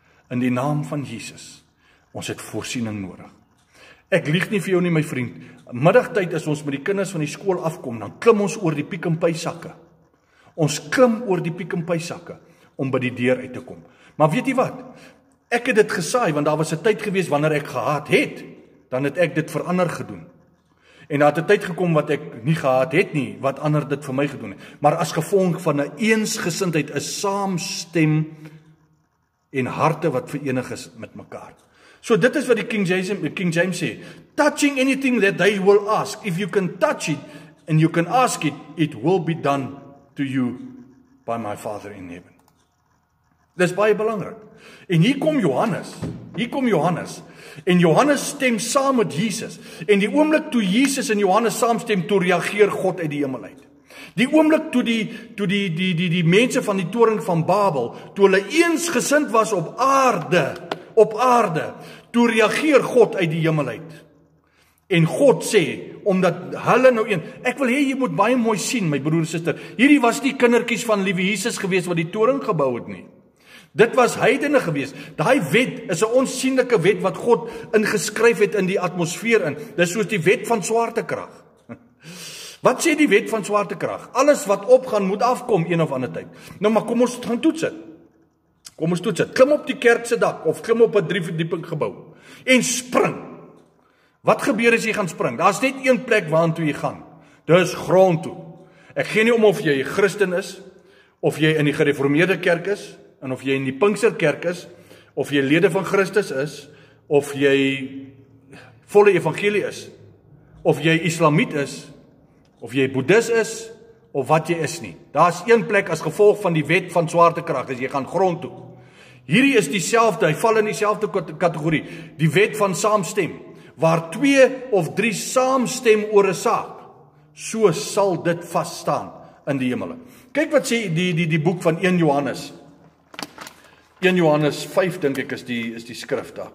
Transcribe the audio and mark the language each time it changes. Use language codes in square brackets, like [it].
[af] In die naam van Jesus, ons het voorsiening nodig. Ek lieg nie vir jou nie, my vriend. Middagtyd as ons met die kinders van die skool afkom, dan klim ons oor die piek en pie sakke. Ons klim oor die piek en pie sakke om by die deur uit te kom. Maar weet jy wat, ek het dit gesaai, want daar was 'n tyd gewees wanneer ek gehaat het, dan het ek dit vir ander gedoen. En daar het 'n tyd gekom wat ek nie gehaat het nie, wat ander dit vir my gedoen het. Maar as gevolg van 'n eensgesindheid, 'n saamstem en harte wat verenig is met mekaar. So dit is wat die King James sê, [en] touching anything that they will ask, if you can touch it and you can ask it, it will be done to you by my Father in heaven. [af] Dit is baie belangrik. En hier kom Johannes, en Johannes stem saam met Jesus, en die oomblik toe Jesus en Johannes saamstem, toe reageer God uit die hemel uit. Die oomblik toe die mense van die toring van Babel, toe hulle eens gesind was op aarde, toe reageer God uit die hemel uit. En God sê, omdat hulle nou een, ek wil hê jy moet baie mooi sien, my broer en suster, hierdie was nie kindertjies van liewe Jesus gewees, wat die toring gebou het nie. Dit was heidene geweest. Daai wet is een onsienlijke wet wat God ingeskryf het in die atmosfeer in. Dis soos die wet van zwaartekracht. Wat sê die wet van zwaartekracht? Alles wat opgaan moet afkom een of ander tyd. Nou maar kom ons gaan toets het. Kom ons toets het. Klim op die kerkse dak of klim op 'n drieverdieping gebouw en spring. Wat gebeur as jy gaan spring? Daar is net een plek waartoe jy gaan. Dis grond toe. Ek gee nie om of jy Christen is, of jy in die gereformeerde kerk is, en of jy in die Pinksterkerk is, of jy lede van Christus is, of jy volle evangelie is, of jy islamiet is, of jy boeddhis is, of wat jy is nie. Daar is een plek as gevolg van die wet van zwaartekracht, as jy gaan grond toe. Hierdie is dieselfde, hy val in dieselfde kategorie, die wet van saamstem, waar twee of drie saamstem oor 'n saak, so sal dit vaststaan in die hemel. Kyk wat sê die boek van 1 Johannes, 1 Johannes 5, denk ek, is die skrif daar.